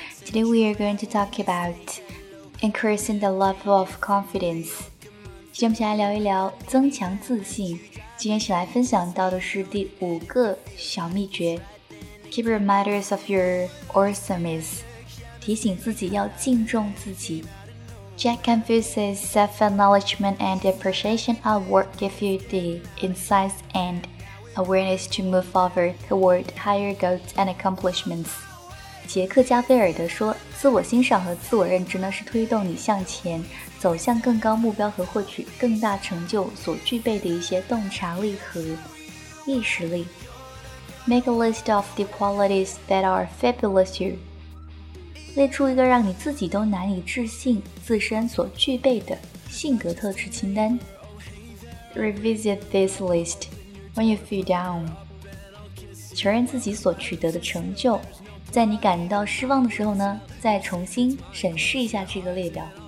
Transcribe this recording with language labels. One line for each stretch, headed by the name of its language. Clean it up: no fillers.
English: Today we are going to talk about increasing the level of confidence.
Chinese: 今天我们先来聊一聊增强自信。今天想来分享到的是第五个小秘诀。
English: Keep reminders of your awesomeness.
Chinese: 提醒自己要敬重自己。
English: Jack Confucius' self-acknowledgement and appreciation award give you the insights and awareness to move forward toward higher goals and accomplishments.
Chinese: 杰克·加菲尔德说，自我欣赏和自我认知呢，是推动你向前，走向更高目标和获取更大成就所具备的一些洞察力和意识力。
English: Make a list of the qualities that are fabulous you.
Chinese: 列出一个让你自己都难以置信自身所具备的性格特质清单。
English: Revisit this list when you feel down.
Chinese: 承认自己所取得的成就，在你感到失望的时候呢，再重新审视一下这个列表。